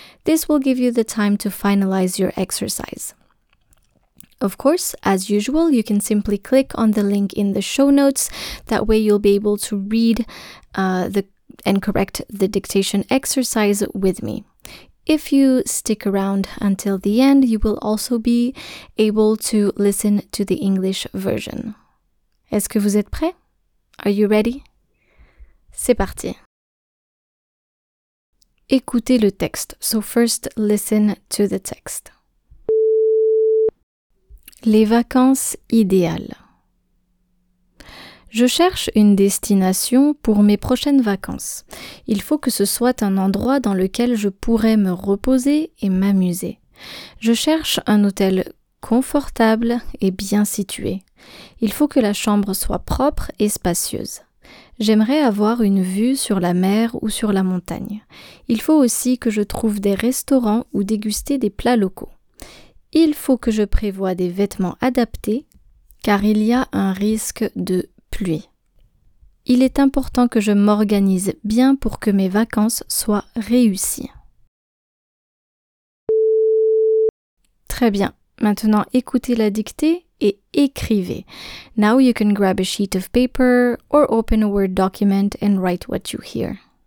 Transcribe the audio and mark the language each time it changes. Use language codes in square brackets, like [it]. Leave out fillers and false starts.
[en] This will give you the time to finalize your exercise. Of course, as usual, you can simply click on the link in the show notes. That way you'll be able to read and correct the dictation exercise with me. If you stick around until the end, you will also be able to listen to the English version. [fr] Est-ce que vous êtes prêt? [en] Are you ready? [fr] C'est parti. Écoutez le texte. [en] So first, listen to the text. [fr] Les vacances idéales. Je cherche une destination pour mes prochaines vacances. Il faut que ce soit un endroit dans lequel je pourrais me reposer et m'amuser. Je cherche un hôtel confortable et bien situé. Il faut que la chambre soit propre et spacieuse. J'aimerais avoir une vue sur la mer ou sur la montagne. Il faut aussi que je trouve des restaurants ou déguster des plats locaux. Il faut que je prévoie des vêtements adaptés, car il y a un risque de pluie. Il est important que je m'organise bien pour que mes vacances soient réussies. Très bien, maintenant écoutez la dictée et écrivez. [en] Now you can grab a sheet of paper or open a Word document and write what you hear.